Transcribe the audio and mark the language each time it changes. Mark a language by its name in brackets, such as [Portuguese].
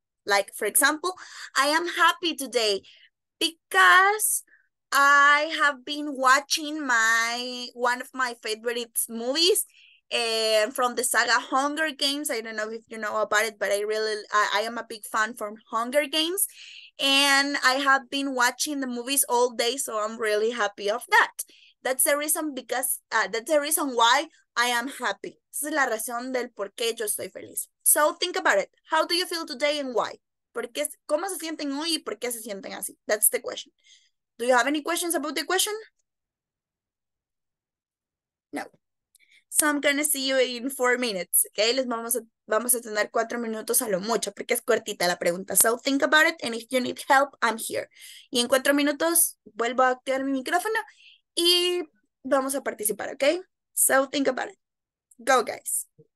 [English] Like, for example, I am happy today because I have been watching my one of my favorite movies from the saga Hunger Games. I don't know if you know about it, but I am a big fan from Hunger Games, and I have been watching the movies all day, so I'm really happy of that. That's the reason why I am happy. [Spanish] Esa es la razón del por qué yo estoy feliz. [English] So think about it. How do you feel today and why? [Spanish] Porque, ¿cómo se sienten hoy y por qué se sienten así? [English] That's the question. Do you have any questions about the question? No. So I'm going to see you in 4 minutes, okay? [Spanish] Les vamos a tener 4 minutos a lo mucho, porque es cortita la pregunta. [English] So think about it, and if you need help, I'm here. [Spanish] Y en 4 minutos, vuelvo a activar mi micrófono, y vamos a participar, [English] okay? So think about it. Go, guys.